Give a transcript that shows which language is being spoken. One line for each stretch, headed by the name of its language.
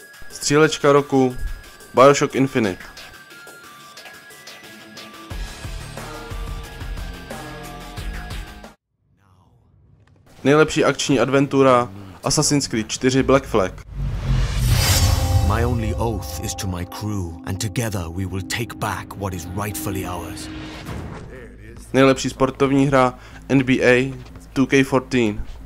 Czech: Střílečka roku, BioShock Infinite. Nejlepší akční adventura Assassin's Creed 4 Black Flag.
English: My only oath is to my crew and together we will take back what is rightfully ours.
Czech: Nejlepší sportovní hra NBA 2K14.